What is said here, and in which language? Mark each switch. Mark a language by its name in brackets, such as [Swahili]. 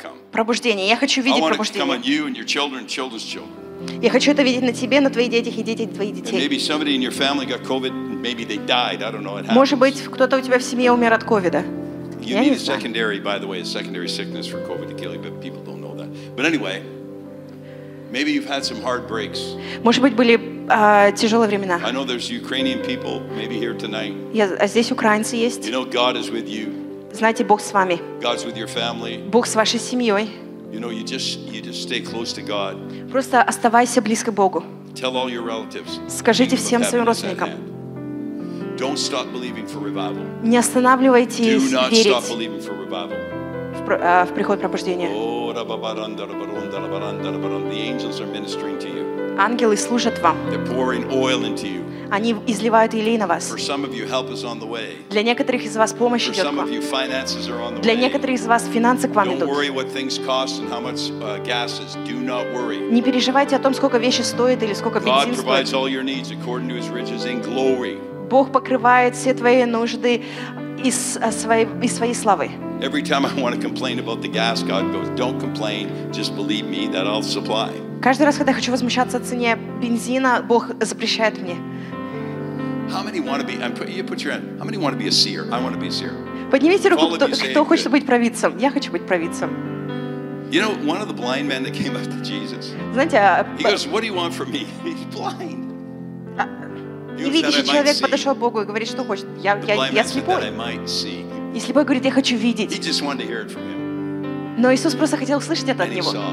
[Russian] пробуждение. Я хочу видеть пробуждение. Я хочу это видеть на тебе, на твоих детях и детях твоих детей. [English] Maybe somebody in your family got COVID, maybe they died. I don't know. [Russian] Может быть, кто-то у тебя в семье умер от ковида. [English] You need a secondary, by the way, a secondary sickness for COVID to kill you, but people don't know that. But anyway, maybe you've had some hard breaks. [Russian] Может быть, были тяжелые времена. [English] I know there's Ukrainian people maybe here tonight. [Russian] А здесь украинцы есть. [English] You know God is with you. [Russian] Знаете, Бог с вами. [English] God's with your family. [Russian] Бог с вашей семьей. [English] You know, you just stay close to God. [Russian] Просто оставайся близко Богу. [English] Tell all your relatives. [Russian] Скажите всем своим родственникам. [English] Don't stop believing for revival. [Russian] Не останавливайтесь верить. [English] Do not stop believing for revival. [Russian] В приход пробуждения. [English] The angels are ministering to you. [Russian] Ангелы служат вам. [English] They're pouring oil into you. [Russian] Они изливают елей на вас. [English] For some of you, help is on the way. [Russian] Для некоторых из вас помощь идет к вам. [English] For some of you, finances are on the way. [Russian] Для некоторых из вас финансы к вам идут. [English] Don't worry what things cost and how much gas is. Do not worry. [Russian] Не переживайте о том, сколько вещи стоят или сколько бензин стоит. [English] God provides all your needs according to His riches in glory. [Russian] Бог покрывает все твои нужды из своей славы. [English] Every time I want to complain about the gas, God goes, "Don't complain, just believe me that I'll supply." [Russian] Каждый раз, когда хочу возмущаться о цене бензина, Бог запрещает мне. [English] How many want to be? You put your hand. How many want to be a seer? I want to be a seer. [Russian] Поднимите руку, кто хочет быть провидцем. Я хочу быть провидцем. [English] You know, one of the blind men that came up to Jesus. [Russian] Знаете, [English] he goes, "What do you want from me?" He's blind. [Russian] Невидящий человек подошел к Богу и говорит, что хочет. Я слепой. И слепой говорит, я хочу видеть. Но Иисус просто хотел услышать это от Него.